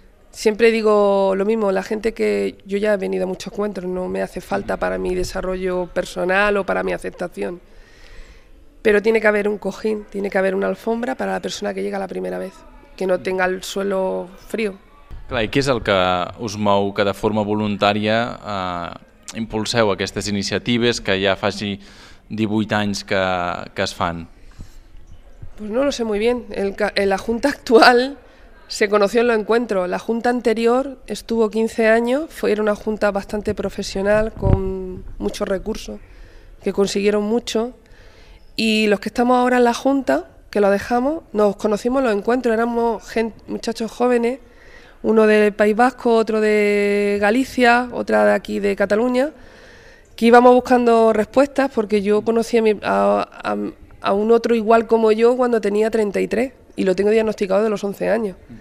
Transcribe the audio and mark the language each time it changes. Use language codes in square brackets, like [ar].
[es] Siempre digo lo mismo, la gente que... Yo ya he venido a muchos encuentros, no me hace falta para mi desarrollo personal o para mi aceptación. Pero tiene que haber un cojín, tiene que haber una alfombra para la persona que llega la primera vez, que no tenga el suelo frío. [ca] Clar, i què és el que us mou, que de forma voluntària impulseu aquestes iniciatives que ja faci 18 anys que es fan? [es] Pues no lo sé muy bien. La junta actual se conoció en lo encuentro. La junta anterior estuvo 15 años, era una junta bastante profesional, con muchos recursos, que consiguieron mucho. Y los que estamos ahora en la junta, que lo dejamos, nos conocimos en los encuentros, éramos muchachos jóvenes, uno del País Vasco, otro de Galicia, otra de aquí de Cataluña, que íbamos buscando respuestas, porque yo conocí a un otro igual como yo cuando tenía 33 y lo tengo diagnosticado de los 11 años.